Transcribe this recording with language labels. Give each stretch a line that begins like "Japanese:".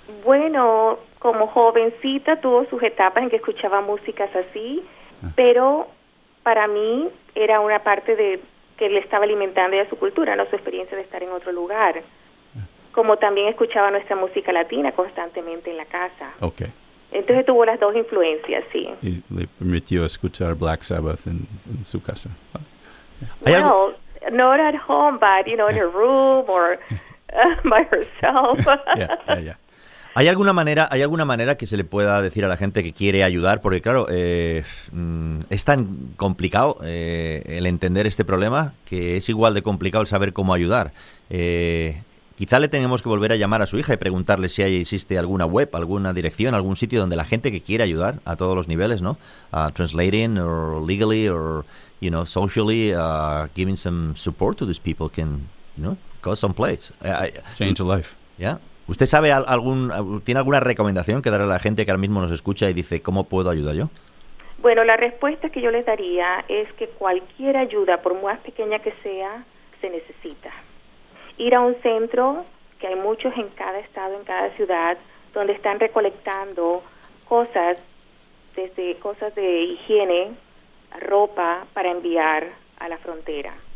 Spanish: Bueno, como jovencita tuvo sus etapas en que escuchaba músicas así, pero para mí era una parte de que le estaba alimentando ya su cultura, no su experiencia de estar en otro lugar. Como también escuchaba nuestra música latina constantemente en la casa.
English: Okay.
Spanish: Entonces tuvo las dos influencias, sí. Y le permitió escuchar Black Sabbath en su casa.
English: Well, not at home, but, you know, in a room or by herself. Yeah.
Spanish: ¿Hay alguna manera que se le pueda decir a la gente que quiere ayudar? Porque, claro, es tan complicado el entender este problema que es igual de complicado el saber cómo ayudar. Quizá le tenemos que volver a llamar a su hija y preguntarle si hay, existe alguna web, alguna dirección, algún sitio donde la gente que quiere ayudar a todos los niveles, ¿no?
English: Translating or legally or, you know, socially, giving some support to these people can, you know, go someplace. Change a life. Yeah.
Spanish: ¿Usted sabe tiene alguna recomendación que dar a la gente que ahora mismo nos escucha y dice, ¿cómo puedo ayudar yo? Bueno, la respuesta que yo les daría es que cualquier ayuda, por más pequeña que sea, se necesita. Ir a un centro, que hay muchos en cada estado, en cada ciudad, donde están recolectando cosas, desde cosas de higiene, ropa, para enviar a la frontera.